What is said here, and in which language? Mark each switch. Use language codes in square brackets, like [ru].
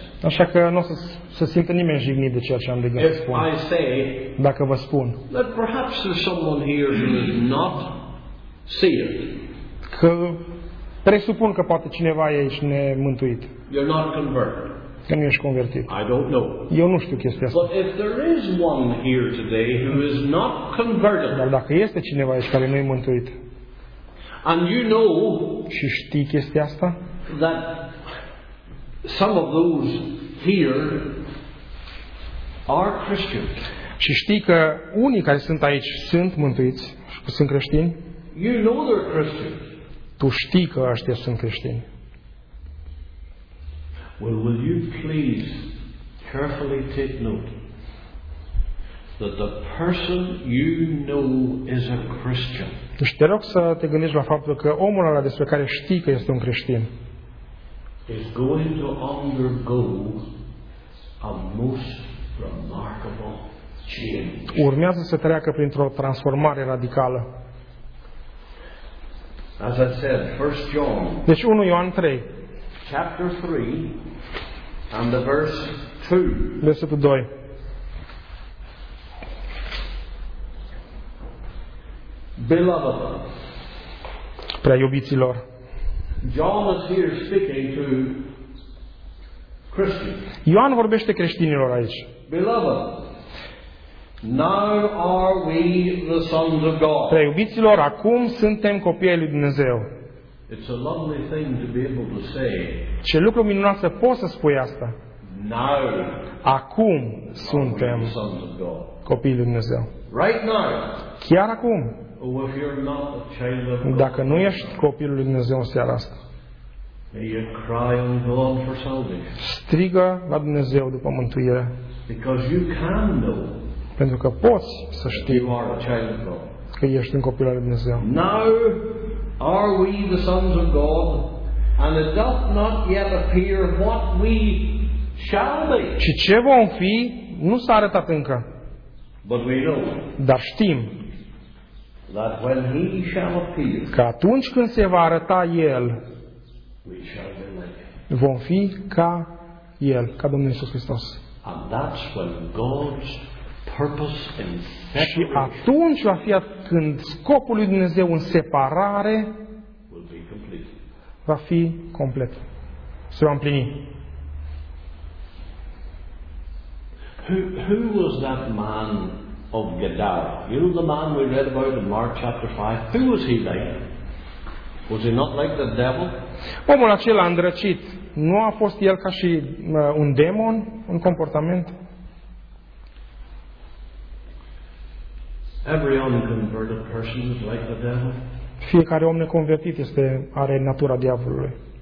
[ro] Așa că nu o să se simtă nimeni jignit de ceea ce am de gând să spun. [en] If I say, [ro] dacă vă spun [en] that perhaps there's someone here who is not saved, [ro] că presupun că poate cineva e aici nemântuit. [en] You're not converted. [ro] Că nu ești convertit. [en] I don't know. [ro] Eu nu știu chestia asta. [en] But if there is one here today who is not converted, [ro] dar dacă este cineva aici care nu e mântuit, [en] and you know, [ro] și știi chestia asta, [en] that some of those here are Christians, [ro] și știi că unii care sunt aici sunt mântuiți și sunt creștini, [en] you know they're Christians, [ro] tu știi că ăștia sunt creștini. [en] Well, will you please carefully take note that the person you know is a Christian. [ro] Deci te rog să te gândești la faptul că omul ăla despre care știi că este un creștin [en] is going to undergo a most remarkable change. [ro] Urmează să treacă printr-o transformare radicală. [en] As I said, 1 John. [ro] Deci 1 Ioan 3. [en] Chapter 3 and the verse 2. [ro] Versetul 2. [en] Beloved. [ro] Prea iubiților. [en] John is here speaking to Christians. [ro] Ioan vorbește creștinilor aici. [en] Beloved, now are we the sons of God. [ro] Prea iubiților, acum suntem copii ai lui Dumnezeu. [en] It's a lovely thing to be able to say. [ro] Ce lucru minunat să poți să spui asta. [en] Now. [ro] Acum suntem copii lui Dumnezeu. [en] Right now. [ro] Chiar acum. [en] Oh, if you're not a child of God, [ro] dacă nu ești copilul lui Dumnezeu în seara asta, [en] may you cry on God for salvation. [ro] Strigă la Dumnezeu după mântuire. [en] Because you can know, [ro] pentru că poți să știi, [en] you are a child of God, [ro] că ești un copil al lui Dumnezeu. [en] Now are we the sons of God, and it doth not yet appear what we shall be. [ro] Și ce vom fi nu s-a arătat încă. [en] But we know. [ro] Dar știm. [en] That when he shall appear, [ro] că atunci când se va arăta El, [en] we shall be like him. [ro] Vom fi ca El, ca Domnul Iisus Hristos. [en] And that's when God's purpose in separation, [ro] și atunci va fi când scopul lui Dumnezeu în separare [en] will be complete. [ro] Va fi complet. Se va împlini. [en] Who was that man of Gadara? You know the man we read about in Mark chapter 5? Who was he like? Was he not like the devil? [ro] Omul acela îndrăcit, nu a fost el ca și un demon în comportament? [en] Every unconverted person is like the devil. [ro] Fiecare om neconvertit este, are natura diavolului.